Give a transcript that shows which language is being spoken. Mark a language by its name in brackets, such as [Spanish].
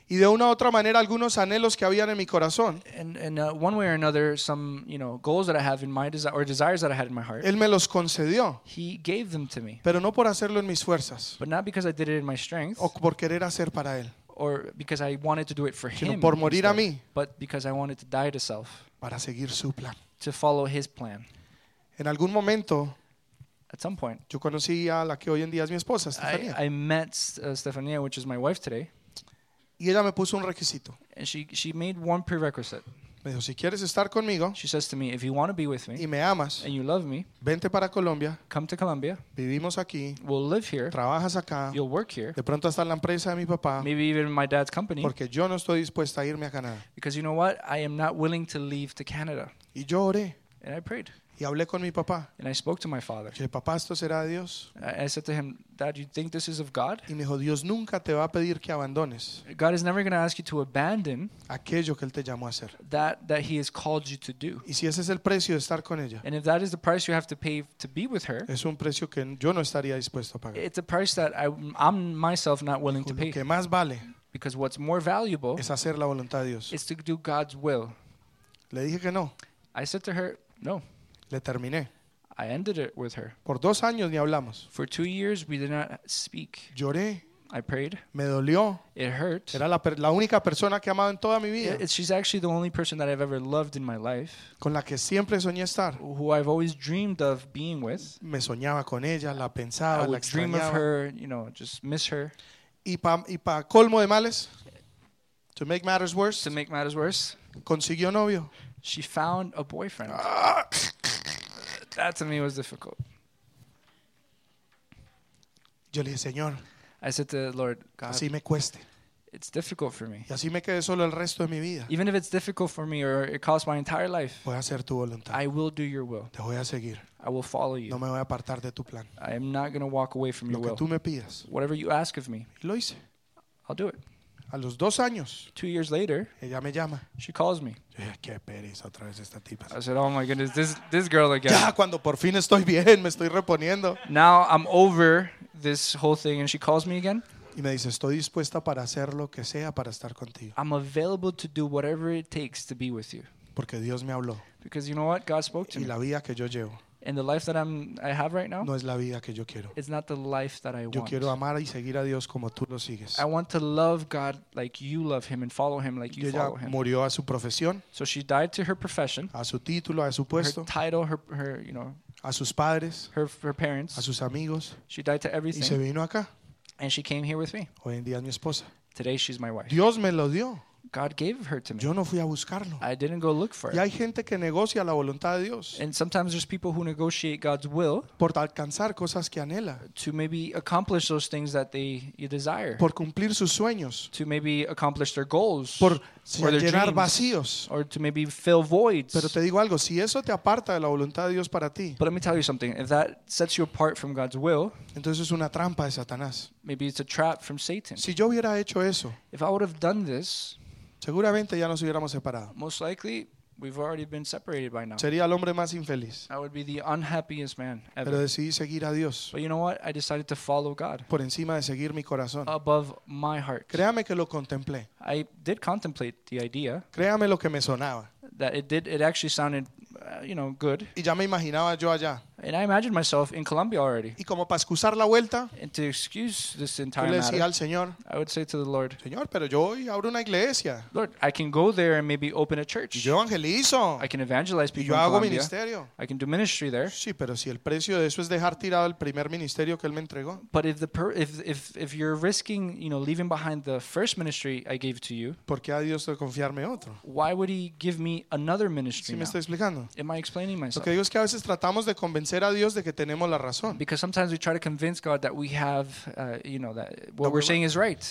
[Spanish] Y de una u otra manera algunos anhelos que habían en mi corazón. [English] And one way or another, some, you know, goals that I have in my desires that I had in my heart. [Spanish] Él me los concedió. [English] He gave them to me. [Spanish] Pero no por hacerlo en mis fuerzas. [English] But not because I did it in my strength. [Spanish] O por querer hacer para él. [English] Or because I wanted to do it for him. [Spanish] Sino por morir [English] instead, [Spanish] a mí. [English] But because I wanted to die to self. [Spanish] Para seguir su plan. [English] To follow his plan. [Spanish] En algún momento, [English] at some point, [Spanish] yo conocí a la que hoy en día es mi esposa, Stefania. [English] I met Stefania, which is my wife today. [Spanish] Y ella me puso un requisito. [English] And she made one prerequisite. [Spanish] Me dijo, si quieres estar conmigo, [English] she says to me, if you want to be with me, [Spanish] y me amas, [English] and you love me, [Spanish] vente para Colombia, [English] come to Colombia, [Spanish] vivimos aquí, [English] we'll live here, [Spanish] trabajas acá, [English] you'll work here, [Spanish] de pronto hasta la empresa de mi papá, [English] maybe even my dad's company, [Spanish] porque yo no estoy dispuesta a irme a Canadá. [English] Because you know what? I am not willing to leave to Canada. [Spanish] Y yo oré. [English] And I prayed. [Spanish] Y hablé con mi papá. [English] And I spoke to my father. [Spanish] Dije, papá, ¿esto será de Dios? [English] I said to him, Dad, you think this is of God? [Spanish] Y me dijo, Dios nunca te va a pedir que abandones. [English] God is never going to ask you to abandon [Spanish] aquello que él te llamó a hacer. [English] That he has called you to do. [Spanish] Y si ese es el precio de estar con ella. [English] And if that is the price you have to pay to be with her. [Spanish] Es un precio que yo no estaría dispuesto a pagar. [English] It's a price that I'm myself not willing to pay. [Spanish] Lo que más vale. [English] Because what's more valuable. [Spanish] Es hacer la voluntad de Dios. [English] Is to do God's will. [Spanish] Le dije que no. [English] I said to her, no. [Spanish] Le terminé. [English] I ended it with her. [Spanish] Por dos años ni hablamos. [English] For 2 years we did not speak. [Spanish] Lloré. [English] I prayed. [Spanish] Me dolió. [English] It hurt. [Spanish] Era la única persona que he amado en toda mi vida. [English] She's actually the only person that I've ever loved in my life. [Spanish] Con la que siempre soñé estar. [English] Who I've always dreamed of being with. [Spanish] Me soñaba con ella, la pensaba, la extrañaba. [English] I dream of her, you know, just miss her. [Spanish] Y pa colmo de males. [English] To make matters worse. To make matters worse. [Spanish] Consiguió novio. [English] She found a boyfriend. That to me was difficult. [Spanish] Yo le dije, Señor, [English] I said to the Lord, God, [Spanish] así me cueste. [English] It's difficult for me. [Spanish] Y así me quedé solo el resto de mi vida. [English] Even if it's difficult for me or it costs my entire life, [Spanish] voy a hacer tu voluntad. [English] I will do your will. [Spanish] Te voy a seguir. [English] I will follow you. [Spanish] No me voy a apartar de tu plan. [English] I am not going to walk away from [Spanish] Lo [English] your [Spanish] que [English] will. [Spanish] Tú me pidas. [English] Whatever you ask of me, [Spanish] y lo hice. [English] I'll do it. [Spanish] A los dos años, [English] 2 years later, [Spanish] ella me llama. [English] She calls me. [Spanish] Qué pereza otra vez esta tipa. [English] I said, oh my goodness, this girl again. [Spanish] Ya, cuando por fin estoy bien, me estoy reponiendo. [English] Now I'm over this whole thing and she calls me again. [Spanish] Y me dice, estoy dispuesta para hacer lo que sea para estar contigo. [English] I'm available to do whatever it takes to be with you. [Spanish] Porque Dios me habló. [English] Because you know what? God spoke to me. [Spanish] Y la vida que yo llevo. [English] And the life that I have right now, [Spanish] no es la vida que yo quiero. [English] It's not the life that I [Spanish] yo [English] want. [Spanish] Yo quiero amar y seguir a Dios como tú lo sigues. [English] I want to love God like you love him and follow him like you [Spanish] ella [English] follow him. [Spanish] Murió a su profesión. [English] So she died to her profession. [Spanish] A su título, a su puesto. [English] Her title, her you know. [Spanish] A sus padres. [English] Her parents. [Spanish] A sus amigos. [English] She died to everything. [Spanish] Y se vino acá. [English] And she came here with me. [Spanish] Hoy en día es mi esposa. [English] Today she's my wife. [Spanish] Dios me lo dio. [English] God gave her to me. [Spanish] Yo no fui a buscarlo. [English] I didn't go look for it. [Spanish] Y hay gente que negocia la voluntad de Dios. [English] And sometimes there's people who negotiate God's will. [Spanish] Por alcanzar cosas que anhela. [English] To maybe accomplish those things that you desire. [Spanish] Por cumplir sus sueños. [English] To maybe accomplish their goals. [Spanish] Por llenar vacíos. [English] Or to maybe fill voids. [Spanish] Pero te digo algo, si eso te aparta de la voluntad de Dios para ti. [English] But let me tell you something. If that sets you apart from God's will. [Spanish] Entonces es una trampa de Satanás. [English] Maybe it's a trap from Satan. [Spanish] Si yo hubiera hecho eso. [English] If I would have done this. [Spanish] Seguramente ya nos hubiéramos separado. [English] Most likely, We've already been separated by now. [Spanish] Sería el hombre más infeliz. [English] I would be the unhappiest man ever. [Spanish] Pero decidí seguir a Dios. [English] But you know what? I decided to follow God. [Spanish] Por encima de seguir mi corazón. [English] Above my heart. [Spanish] Créame que lo contemplé. [English] I did contemplate the idea. [Spanish] Créame lo que me sonaba. [English] That it did. It actually sounded, you know, good. [Spanish] Y ya me imaginaba yo allá. [English] And I imagined myself in Colombia already. [Spanish] Y como para excusar la vuelta, [English] and to excuse this entire [Spanish] le decía [English] matter, [Spanish] al Señor, [English] I would say to the Lord, [Spanish] Señor, pero yo hoy abro una iglesia. [English] Lord, I can go there and maybe open a church. [Spanish] Yo evangelizo. [English] I can evangelize people [Spanish] y yo hago [English] in Colombia. [Spanish] Ministerio. [English] I can do ministry there. [Spanish] Sí, pero si el precio de eso es dejar tirado el primer ministerio que él me entregó. [English] But if you're risking, you know, leaving behind the first ministry I gave to you, [Spanish] ¿por qué a Dios de confiarme otro? [English] Why would he give me another ministry? [Spanish] ¿Sí me estoy explicando? [English] Am I explaining myself? [Spanish] Lo que digo es que a veces tratamos de convencer a Dios de que tenemos la razón. [English] Because sometimes we try to convince God that we have, you know, that what no, we're saying is right.